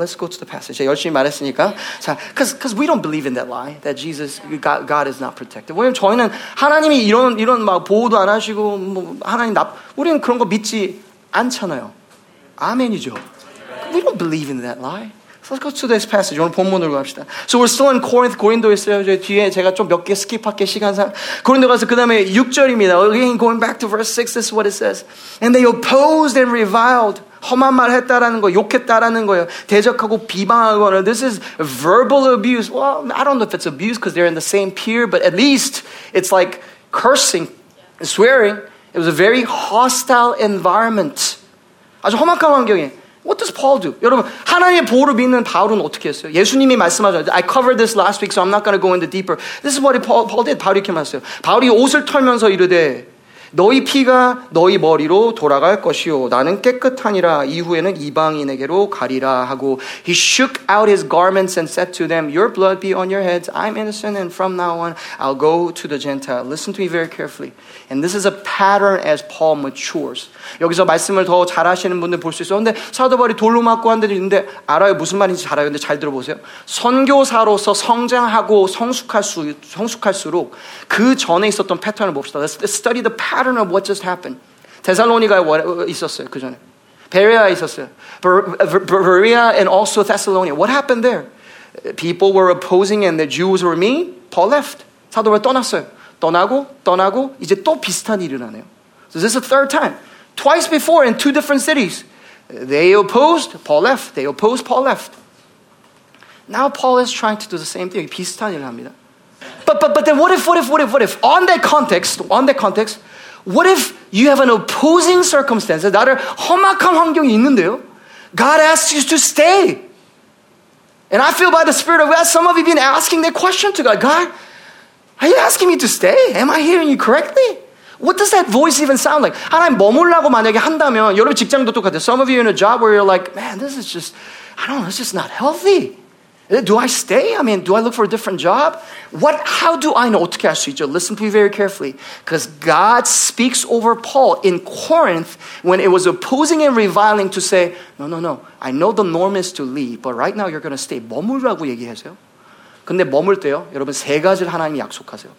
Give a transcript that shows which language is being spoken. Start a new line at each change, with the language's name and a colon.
English: Let's go to the passage.
Korean: 열심히 말했으니까.
English: 자, because we don't believe in that lie that Jesus, God is not protected.
Korean: 왜냐면 저희는 하나님이 이런 막 보호도 안 하시고 뭐 하나님 나 우리는 그런 거 믿지 않잖아요. 아멘이죠.
English: We don't believe in that lie. Let's go to this passage.
Korean: 오늘 본문으로 갑시다.
English: So we're still in Corinth.
Korean: 고린도에 있어요. 뒤에 제가 좀 몇 개 스킵할게 시간상. 고린도 가서 그 다음에 6절입니다.
English: Again, going back to verse 6, this is what it says. And they opposed and reviled.
Korean: 험한 말 했다라는 거, 욕했다라는 거예요. 대적하고 비방하거나.
English: This is verbal abuse. Well, I don't know if it's abuse because they're in the same peer, but at least it's like cursing and swearing. It was a very hostile environment.
Korean: 아주 험악한 환경이에요.
English: What does Paul do?
Korean: 여러분, 하나님의 보호를 믿는 바울은 어떻게 했어요? 예수님이 말씀하셨죠.
English: I covered this last week, so I'm not going to go into deeper. This is what Paul did.
Korean: 바울이 이렇게 말했어요. 바울이 옷을 털면서 이르되 너희 피가 너희 머리로 돌아갈 것이요 나는 깨끗하니라 이후에는 이방인에게로 가리라 하고
English: He shook out his garments and said to them Your blood be on your heads I'm innocent and from now on I'll go to the Gentile Listen to me very carefully And this is a pattern as Paul matures
Korean: 여기서 말씀을 더 잘하시는 분들 볼 수 있어요 근데 사도바리 돌로 맞고 한 데도 있는데 알아요 무슨 말인지 잘 알아요 근데 잘 들어보세요 선교사로서 성장하고 성숙할수록 그 전에 있었던 패턴을 봅시다
English: Let's study the pattern I don't know what just happened.
Korean: 데살로니가 있었어요, 그 전에. 베레아 있었어요.
English: Berea and also Thessalonica. What happened there? People were opposing and the Jews were mean. Paul left.
Korean: 사도가 떠났어요. 떠나고 이제 또 비슷한 일이 일어나네요.
English: So this is the third time. Twice before in two different cities. They opposed, Paul left. They opposed, Paul left. Now Paul is trying to do the same thing.
Korean: 비슷한 일을 합니다.
English: But then what if? On that context, what if you have an opposing circumstance?
Korean: 나를 험악한 환경이 있는데요.
English: God asks you to stay. And I feel by the Spirit of God, some of you have been asking that question to God. God, are you asking me to stay? Am I hearing you correctly? What does that voice even sound like?
Korean: 하나님 머물라고 만약에 한다면, 여러분 직장도 똑같아요.
English: Some of you in a job where you're like, man, this is just, I don't know, it's just not healthy. Do I stay? I mean, do I look for a different job? What? How do I know?
Korean: 어떻게 할 수 있죠?
English: Listen to me very carefully. Because God speaks over Paul in Corinth when it was opposing and reviling to say, no, I know the norm is to leave, but right now you're going to stay.
Korean: 머물라고 얘기하세요. 근데 머물 때요, 여러분 세 가지를 하나님이 약속하세요.